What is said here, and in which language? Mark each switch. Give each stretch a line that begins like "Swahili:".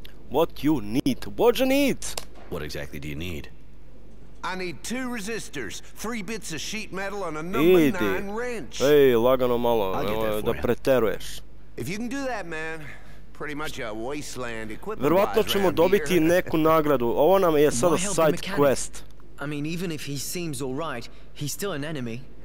English: What you need? What you need? What exactly do you need? I need two resistors, three bits of sheet metal and a number 9 wrench.
Serbian: Hey, lagano malo, da preteruješ.
English: If you can do that, man, pretty much a wasteland equipment.
Serbian: Verovatno ćemo dobiti neku nagradu. Ovo nam je sada side quest.
English: I mean, even if he seems all right, he's still an enemy.